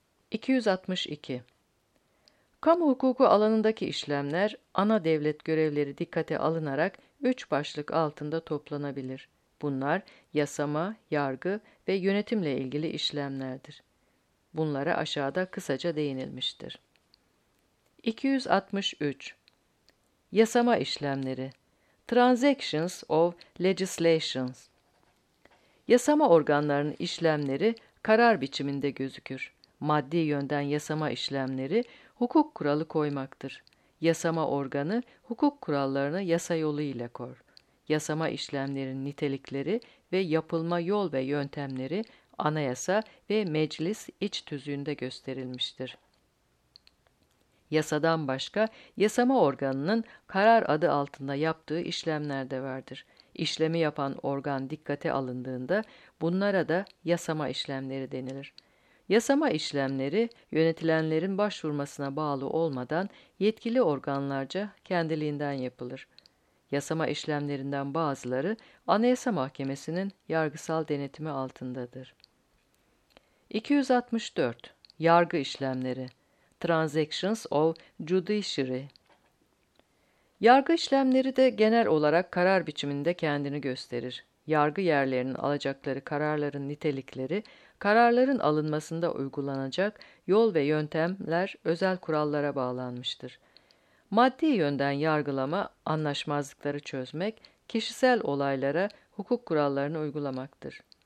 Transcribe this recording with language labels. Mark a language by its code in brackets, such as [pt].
[tr] 262. Kamu hukuku alanındaki işlemler, ana devlet görevleri dikkate alınarak 3 başlık altında toplanabilir. Bunlar, yasama, yargı ve yönetimle ilgili işlemlerdir. Bunlara aşağıda kısaca değinilmiştir. 263. Yasama işlemleri. [en] Transactions of Legislations. [tr] Yasama organlarının işlemleri karar biçiminde gözükür. Maddi yönden yasama işlemleri hukuk kuralı koymaktır. Yasama organı hukuk kurallarını yasa yolu ile kor. Yasama işlemlerinin nitelikleri ve yapılma yol ve yöntemleri anayasa ve meclis iç tüzüğünde gösterilmiştir. Yasadan başka yasama organının karar adı altında yaptığı işlemler de vardır. İşlemi yapan organ dikkate alındığında bunlara da yasama işlemleri denilir. Yasama işlemleri yönetilenlerin başvurmasına bağlı olmadan yetkili organlarca kendiliğinden yapılır. Yasama işlemlerinden bazıları Anayasa Mahkemesi'nin yargısal denetimi altındadır. 264. Yargı işlemleri. [en] Transactions of Judiciary. [tr] Yargı işlemleri de genel olarak karar biçiminde kendini gösterir. Yargı yerlerinin alacakları kararların nitelikleri, kararların alınmasında uygulanacak yol ve yöntemler özel kurallara bağlanmıştır. Maddi yönden yargılama, anlaşmazlıkları çözmek, kişisel olaylara hukuk kurallarını uygulamaktır.